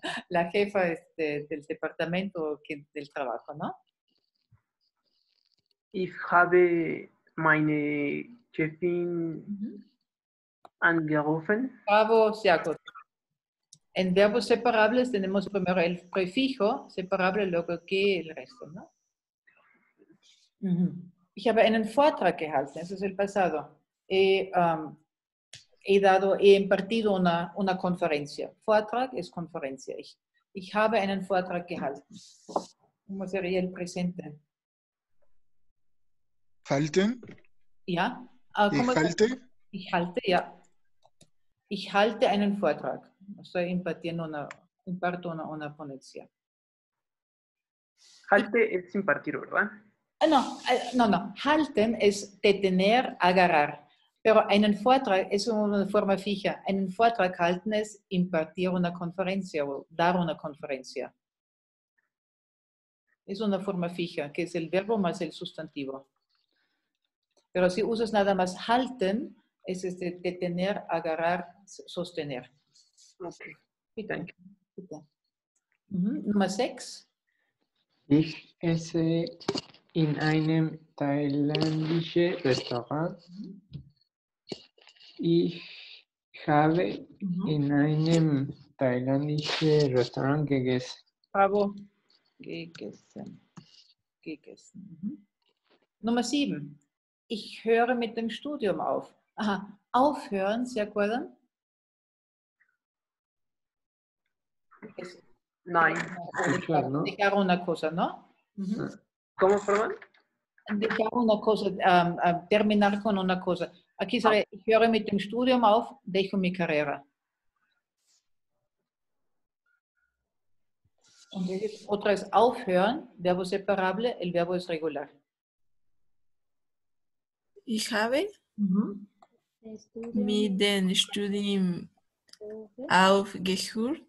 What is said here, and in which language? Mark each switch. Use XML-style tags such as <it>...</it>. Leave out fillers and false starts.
<es>La jefa es del departamento del trabajo, ¿no?</es> <de>Ich habe meine Chefin angerufen. Bravo, sehr gut.</de> <es>En verbos separables tenemos primero el prefijo separable, luego que el resto, ¿no? Uh-huh. Ich habe einen Vortrag gehalten, eso es el pasado. He impartido una conferencia. Vortrag es conferencia. Ich habe einen Vortrag gehalten. ¿Cómo sería el presente?</es> <de>Halten. Ja. Ich halte einen Vortrag. Estoy impartiendo una,</de> <es>imparto una ponencia. Halte es impartir, ¿verdad? No. Halten es detener, agarrar. Pero en un Vortrag es una forma fija. En un Vortrag halten es impartir una conferencia o dar una conferencia. Es una forma fija, que es el verbo más el sustantivo. Pero si usas nada más halten, es este detener, agarrar, sostener. Ok. Y thank you. Número 6.</es> <de>Ich esse in einem thailändischen Restaurant. Ich habe in einem thailändischen Restaurant gegessen. Bravo. Gegessen. Nummer 7. Ich höre mit dem Studium auf.</de> <es>Aha. Aufhören, ¿se acuerdan?</es> <de>Nein.</de> <es>Dejar una cosa, ¿no? ¿Cómo, perdón? Dejar una cosa, terminar con una cosa. Aquí sabe, ich höre mit dem Studium auf, dejo mi carrera. Otra es aufhören, verbo separable, el verbo es regular.</es> <de>Ich habe mit dem Studium aufgehört.</de>